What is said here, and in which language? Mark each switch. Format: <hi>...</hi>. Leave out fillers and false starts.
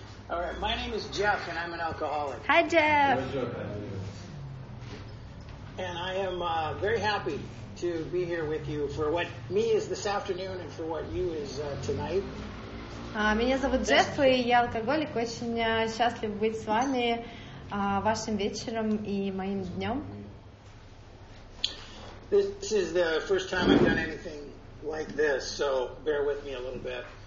<en>All right, my name is Jeff, and I'm an alcoholic. Hi, Jeff. And I am very happy to be here with you for what me is this afternoon and for what you is tonight.</en> <ru>Меня зовут Джефф, и я алкоголик. Очень счастлив быть с вами вашим вечером и моим днем.</ru> <en>This is the first time I've done anything like this, so bear with me a little bit.</en>